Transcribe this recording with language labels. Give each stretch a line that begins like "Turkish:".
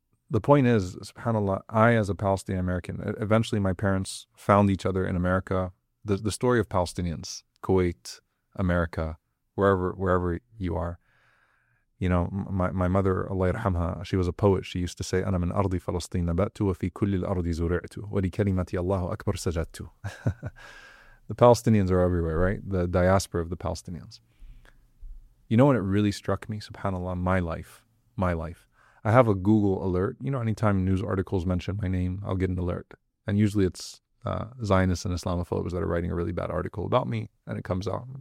English: The point is, subhanAllah, I as a Palestinian American, eventually my parents found each other in America. The story of Palestinians, Kuwait, America, wherever you are. You know, my mother, Allah yarhamha, she was a poet.
Arabic: She used to say, أَنَا مِنْ أَرْضِ فَلَسْطِينَ نَبَتُ وَفِي كُلِّ الْأَرْضِ زُرِعْتُ وَلِكَلِمَةِ اللَّهُ أَكْبَرْ سَجَدْتُ.
English: The Palestinians are everywhere, right? The diaspora of the Palestinians. You know when it really struck me, subhanAllah, my life. I have a Google alert. You know, anytime news articles mention my name, I'll get an alert. And usually it's Zionists and Islamophobes that are writing a really bad article about me, and it comes out.